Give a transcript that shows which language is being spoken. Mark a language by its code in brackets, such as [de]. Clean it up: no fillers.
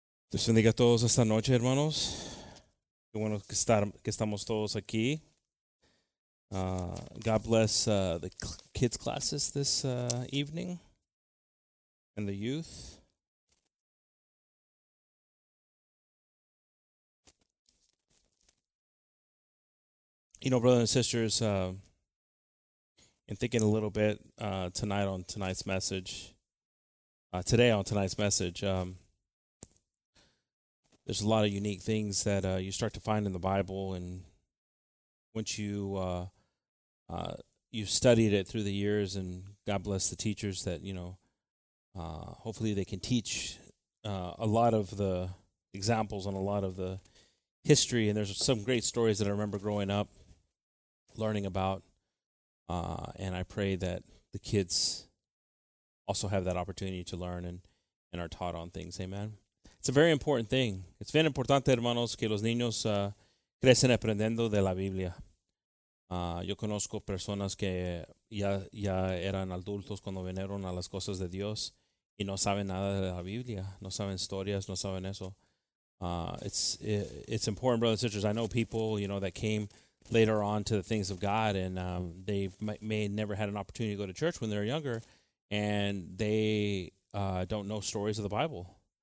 [es] Dios bendiga a todos esta noche, hermanos. Qué bueno que estamos todos aquí. [en] God bless the kids' classes this evening and the youth. You know, brothers and sisters, in thinking a little bit tonight on tonight's message, today on tonight's message, there's a lot of unique things that you start to find in the Bible, and once you you've studied it through the years, and God bless the teachers that, you know, hopefully they can teach a lot of the examples and a lot of the history, and there's some great stories that I remember growing up learning about, and I pray that the kids also have that opportunity to learn and are taught on things, amen. It's a very important thing. [es] It's bien importante, hermanos, que los niños crecen aprendiendo de la Biblia. Yo conozco personas que ya eran adultos cuando vinieron a las cosas de Dios y no saben nada de la Biblia, no saben historias, no saben eso. [en] It's important, brothers and sisters. I know people, you know, that came later on to the things of God, and they may never had an opportunity to go to church when they were younger, and they don't know stories of the Bible.